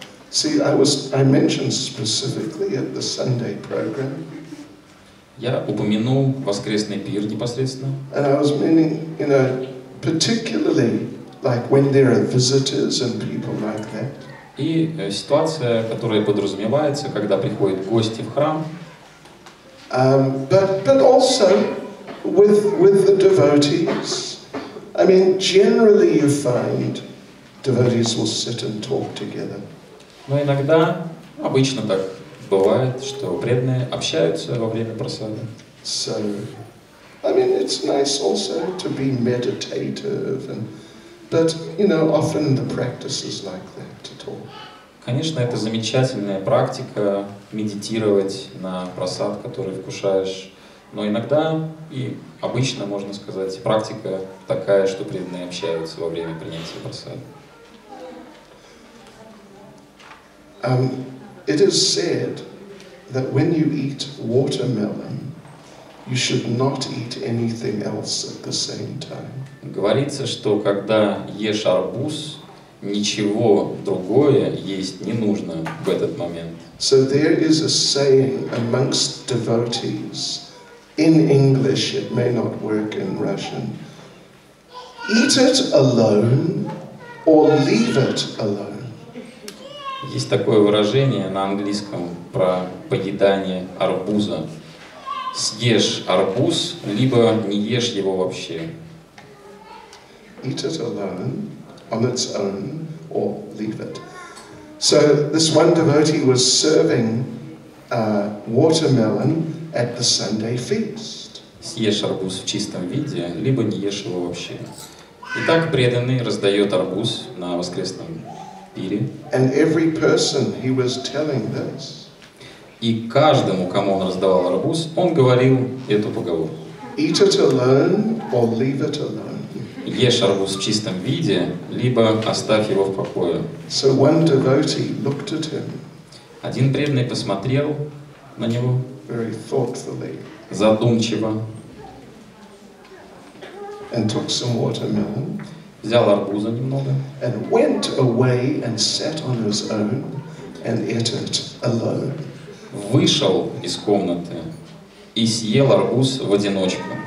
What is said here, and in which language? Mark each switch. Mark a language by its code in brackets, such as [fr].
[en] See, I mentioned specifically at the Sunday program. [ru] Я упомянул воскресный пир непосредственно. [en] And I was meaning, you know, particularly like when there are visitors and people like that. [ru] И ситуация, которая подразумевается, когда приходят гости в храм. [en] But also with the devotees. I mean, generally you find devotees will sit and talk together. [ru] Но иногда, обычно так бывает, что преданные общаются во время просады. [en] So, I mean, it's nice also to be meditative, and, but, you know, often the practice is like that at all. [ru] Конечно, это замечательная практика медитировать на просад, который вкушаешь. Но иногда, и обычно, можно сказать, практика такая, что преданные общаются во время принятия просады. [en] It is said that when you eat watermelon, you should not eat anything else at the same time. [ru] Говорится, что когда ешь арбуз, ничего другое есть не нужно в этот момент. [en] So there is a saying amongst devotees in English, it may not work in Russian. Eat it alone or leave it alone. [ru] Есть такое выражение на английском про поедание арбуза. Съешь арбуз, либо не ешь его вообще. [en] Eat it alone, on its own, or leave it. So this one devotee was serving watermelon at the Sunday feast. [ru] Съешь арбуз в чистом виде, либо не ешь его вообще. Итак, преданный раздает арбуз на воскресном пире. [en] And every person he was telling this. [ru] И каждому, кому он раздавал арбуз, он говорил эту поговорку. [en] Eat it alone or leave it alone. [ru] Ешь арбуз в чистом виде, либо оставь его в покое. [en] So one devotee looked at him. [ru] Один преданный посмотрел на него. [en] Very thoughtfully. [ru] Задумчиво. [en] And took some watermelon. [ru] Взял арбуза немного. [en] And went away and sat on his own and ate it alone. [ru] Вышел из комнаты и съел арбуз в одиночку.